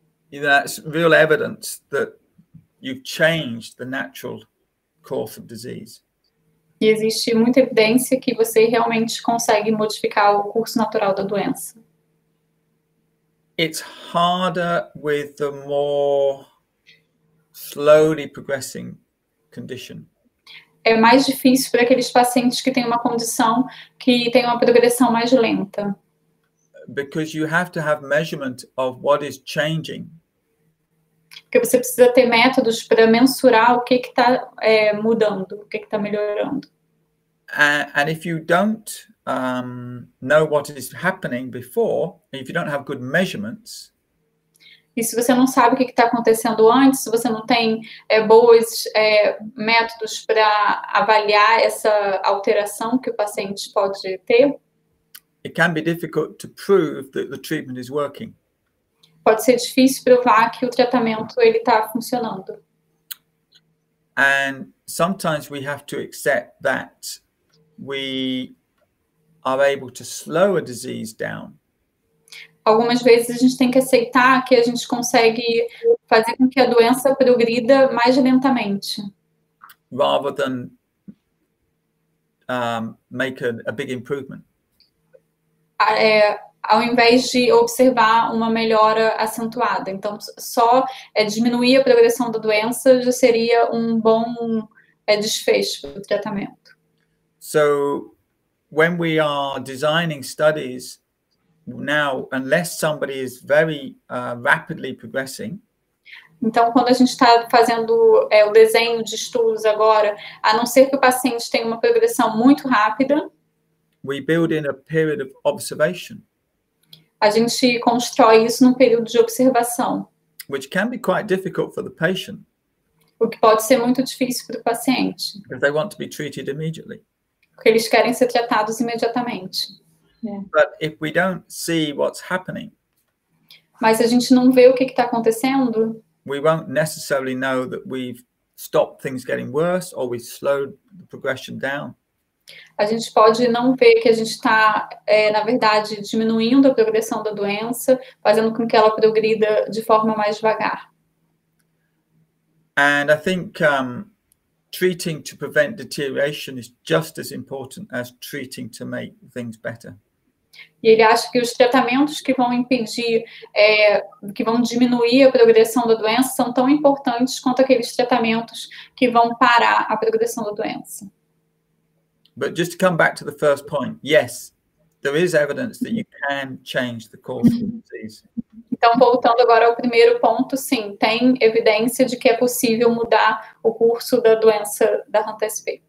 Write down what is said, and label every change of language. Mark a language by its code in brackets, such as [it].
[en] That's real evidence that you've changed the natural course of disease. [pt] E existe muita evidência que você realmente consegue modificar o curso natural da doença. [en] It's harder with the more slowly progressing condition. [pt] É mais difícil para aqueles pacientes que têm uma condição que tem uma progressão mais lenta. [en] Because you have to have measurement of what is changing. [pt] Porque você precisa ter métodos para mensurar o que está mudando, o que está melhorando. [en] And if you don't know what is happening before, if you don't have good measurements. [pt] E se você não sabe o que está acontecendo antes, se você não tem boas métodos para avaliar essa alteração que o paciente pode ter, [en] it can be difficult to prove that the treatment is working. [pt] Pode ser difícil provar que o tratamento ele está funcionando. [en] And sometimes we have to accept that we are able to slow a disease down. [pt] Algumas vezes a gente tem que aceitar que a gente consegue fazer com que a doença progrida mais lentamente. [en] Rather than make a big improvement. [pt] Ao invés de observar uma melhora acentuada. Então, só diminuir a progressão da doença já seria um bom desfecho para o tratamento. [en] So, when we are designing studies, now, unless somebody is very rapidly progressing. [pt] Então, quando a gente está fazendo o desenho de estudos agora, a não ser que o paciente tenha uma progressão muito rápida. [en] We build in a period of observation. [pt] A gente constrói isso num período de observação. [en] Which can be quite difficult for the patient. [pt] O que pode ser muito difícil para o paciente. [en] Because they want to be treated immediately. [pt] Porque eles querem ser tratados imediatamente. [en] Yeah. But if we don't see what's happening, [pt] mas a gente não vê o que está acontecendo, [en] we won't necessarily know that we've stopped things getting worse or we've slowed the progression down. [pt] A gente pode não ver que a gente está, na verdade, diminuindo a progressão da doença, fazendo com que ela progrida de forma mais devagar. [en] And I think treating to prevent deterioration is just as important as treating to make things better. [pt] E ele acha que os tratamentos que vão impedir, que vão diminuir a progressão da doença são tão importantes quanto aqueles tratamentos que vão parar a progressão da doença. [en] But just to come back to the first point, yes, there is evidence that you can change the course of the disease. [pt] Então, voltando agora ao primeiro ponto, sim, tem evidência de que é possível mudar o curso da doença da Hunter's.